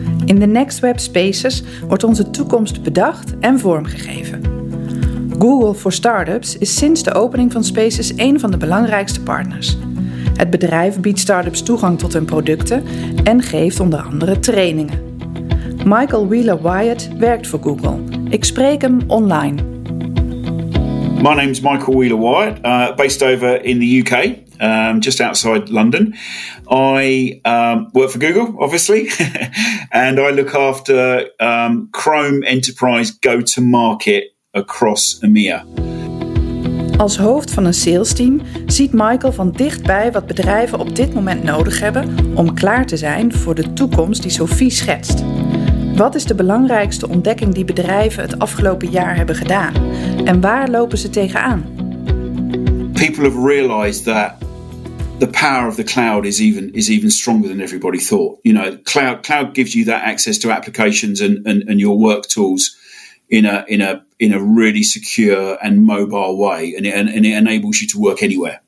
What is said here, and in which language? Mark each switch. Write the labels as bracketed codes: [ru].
[nl] In de Next Web Spaces wordt onze toekomst bedacht en vormgegeven. Google for Startups is sinds de opening van Spaces een van de belangrijkste partners. Het bedrijf biedt startups toegang tot hun producten en geeft onder andere trainingen. Michael Wheeler-Wyatt werkt voor Google. Ik spreek hem online. [en] My name's Michael Wheeler-Wyatt, based over in the UK, just outside London. I work for Google, obviously, and I look after Chrome Enterprise go-to-market across EMEA. [nl] Als hoofd van een sales team ziet Michael van dichtbij wat bedrijven op dit moment nodig hebben om klaar te zijn voor de toekomst die Sophie schetst. Wat is de belangrijkste ontdekking die bedrijven het afgelopen jaar hebben gedaan? En waar lopen ze tegenaan? [en] People have realized that the power of the cloud is even stronger than everybody thought. You know, cloud gives you that access to applications and your work tools in a really secure and mobile way, and it enables you to work anywhere.